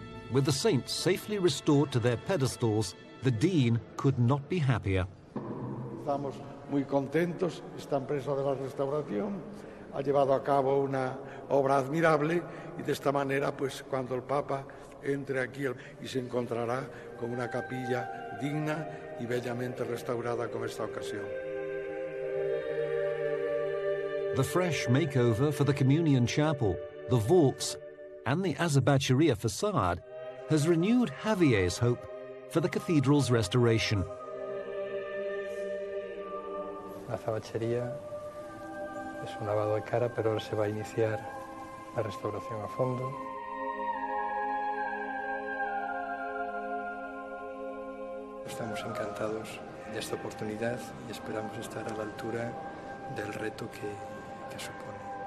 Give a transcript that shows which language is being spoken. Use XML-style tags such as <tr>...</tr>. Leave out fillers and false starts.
<en>With the saints safely restored to their pedestals, the dean could not be happier.</en> <es>Estamos muy contentos. Esta empresa de la restauración ha llevado a cabo una obra admirable, y de esta manera, pues, cuando el Papa entre aquí y se encontrará con una capilla digna y bellamente restaurada como esta ocasión.</es> <en>The fresh makeover for the communion chapel, the vaults, and the azabacheria facade has renewed Javier's hope for the cathedral's restoration.</en> <es>La azabachería es un lavado de cara, pero ahora se va a iniciar la restauración a fondo. Estamos encantados de esta oportunidad y esperamos estar a la altura del reto que supone.</es>